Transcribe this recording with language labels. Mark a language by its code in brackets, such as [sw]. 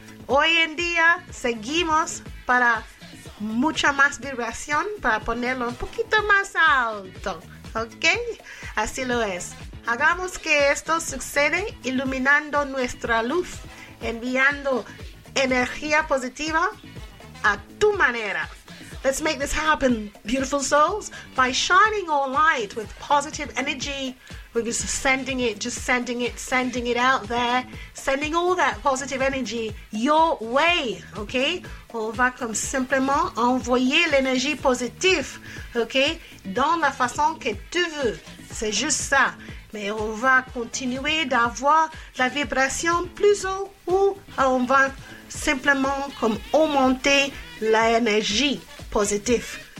[es] Hoy en día seguimos para mucha más vibración, para ponerlo un poquito más alto. ¿Ok? Así lo es. Hagamos que esto suceda iluminando nuestra luz, enviando energía positiva a tu manera. [en] Let's make this happen, beautiful souls, by shining our light with positive energy. We're just sending it out there, sending all that positive energy your way, okay? [fr] On va comme simplement envoyer l'énergie positive, okay, dans la façon que tu veux. C'est juste ça. Mais on va continuer d'avoir la vibration plus haut ou on va simplement comme augmenter l'énergie positive.